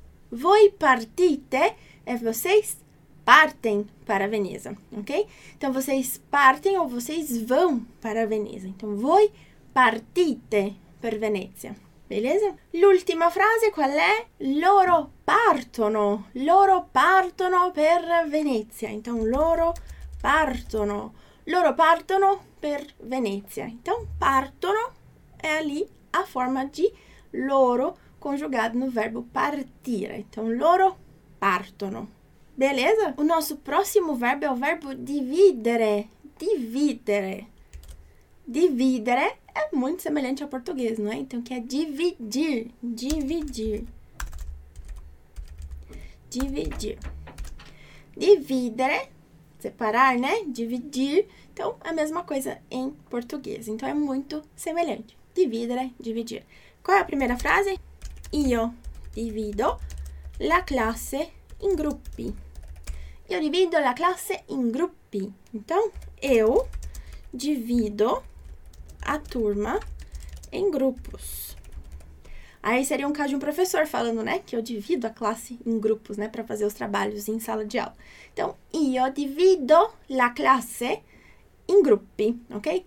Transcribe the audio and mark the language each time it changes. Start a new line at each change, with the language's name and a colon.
Italian: Voi partite
Portuguese: é vocês partem para Veneza, ok? Então vocês partem ou vocês vão para Veneza.
Italian: Então voi partite per Venezia, beleza? L'ultima frase qual è? Loro partono per Venezia. Então loro partono per Venezia. Então partono è lì a forma di loro.
Portuguese: Conjugado no verbo partire. Então,
Italian: loro partono.
Portuguese: Beleza? O nosso próximo verbo é o verbo dividere. Dividere. Dividere é muito semelhante ao português, não é? Então, que é dividir. Dividir. Dividir. Dividere, separar, né? Dividir. Então, é a mesma coisa em português. Então, é muito semelhante. Dividere, dividir. Qual é a primeira frase?
Italian: Io divido la classe in gruppi. Io divido la classe in gruppi.
Portuguese: Então, eu divido a turma em grupos. Aí seria um caso de um professor falando, né? Que eu divido a classe em grupos, né? Para fazer os trabalhos em sala de aula. Então,
Italian: io divido la classe in gruppi.
Portuguese: Ok?